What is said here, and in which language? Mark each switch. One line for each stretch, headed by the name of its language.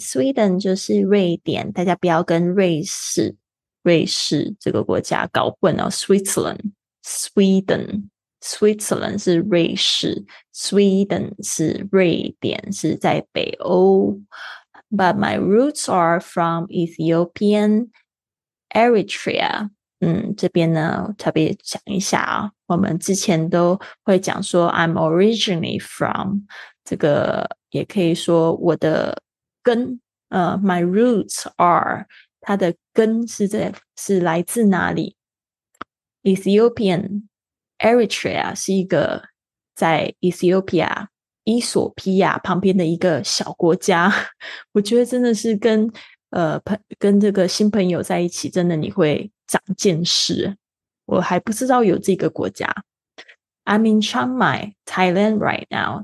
Chinese: Sweden 就是瑞典，大家不要跟瑞士这个国家搞混哦。 Switzerland 是瑞士， Sweden 是瑞典，是在北欧。
English: But my roots are from Ethiopian Eritrea.
Chinese: 这边呢特别讲一下啊，我们之前都会讲说
English: I'm originally from，
Chinese: 这个也可以说我的根，
English: My roots are，
Chinese: 它的根是在是来自哪里。 Ethiopian Eritrea 是一个在 Ethiopia 伊索比亚旁边的一个小国家。我觉得真的是跟这个新朋友在一起，真的你会长见识。我还不知道有这个国家。
English: I'm in Chiang Mai, Thailand right now.